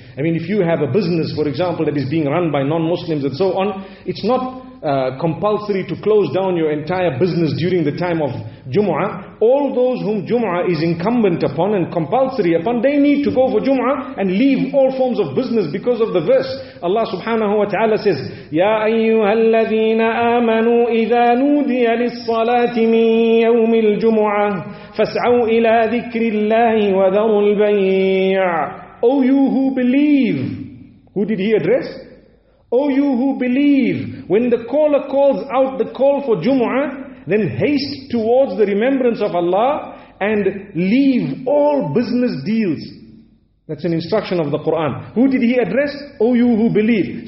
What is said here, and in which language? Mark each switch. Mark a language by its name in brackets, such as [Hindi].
[English] I mean, if you have a business, for example, that is being run by non-Muslims and so on, it's not compulsory to close down your entire business during the time of Jumu'ah. All those whom Jumu'ah is incumbent upon and compulsory upon, they need to go for Jumu'ah and leave all forms of business because of the verse. Allah subhanahu wa ta'ala says, [Arabic] يَا أَيُّهَا الَّذِينَ آمَنُوا إِذَا نُودِيَ لِلصَّلَاةِ مِنْ يَوْمِ الْجُمُعَةِ فَاسْعَوْا إِلَىٰ ذِكْرِ اللَّهِ وَذَرُوا الْبَيْعِ. [English] O you who believe. Who did he address? O you who believe, when the caller calls out the call for Jumu'ah, then haste towards the remembrance of Allah and leave all business deals. That's an instruction of the Quran. Who did he address? O you who believe.